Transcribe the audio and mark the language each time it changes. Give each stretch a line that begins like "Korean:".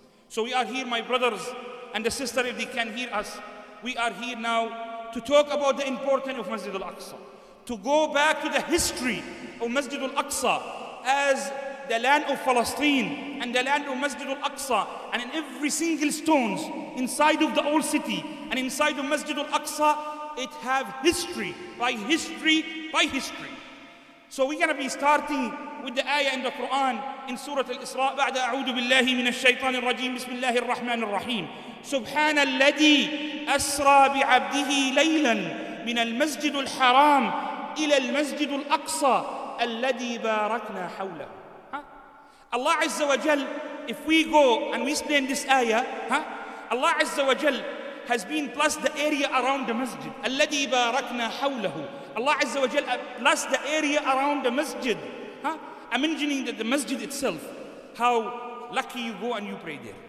English: So we are here, my brothers and the sister, if they can hear us, we are here now to talk about the importance of Masjid al-Aqsa, to go back to the history of Masjid al-Aqsa as the land of Palestine and the land of Masjid al-Aqsa, and in every single stones inside of the old city and inside of Masjid al-Aqsa, it have history by history by history. So we're going to be starting with the ayah in the Quran in Surah Al-Isra.
Arabic: بعد أعوذ بالله من الشيطان الرجيم بسم الله الرحمن الرحيم سبحان الذي أسرى بعبده ليلا من المسجد الحرام إلى المسجد الأقصى الذي باركنا حوله.
English: Allah Azza wa Jal, if we go and we explain this ayah, huh? Allah Azza wa Jal has been blessed the area around the masjid.
Arabic: الَّذِي بَارَكْنَا حَوْلَهُ.
English: Allah Azza wa Jal blessed the area around the masjid. Huh? I'm mentioning that the masjid itself, how lucky you go and you pray there.